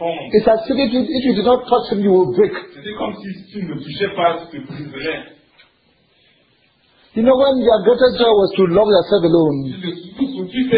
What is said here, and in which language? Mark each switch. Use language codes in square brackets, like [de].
[en] It's as if if you did not touch him, you will break. [fr] C'est comme si tu ne touchais pas, tu te briserais. [en] You know when your greatest joy was to love yourself alone.